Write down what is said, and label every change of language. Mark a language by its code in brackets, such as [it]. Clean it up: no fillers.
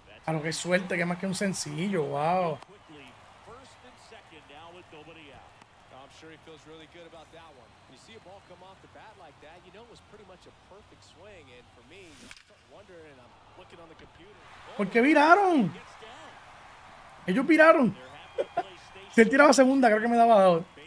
[es] A lo que suelta, que más que un sencillo, wow. [en] Quickly, first and second now with nobody out. I'm sure he feels really good about that one. You see a ball come off the bat like that, you know it was pretty much a perfect swing. And for me, I'm wondering, and I'm looking on the computer. [es] ¿Por qué viraron? Ellos viraron. Si él tiraba segunda, creo que me daba dos.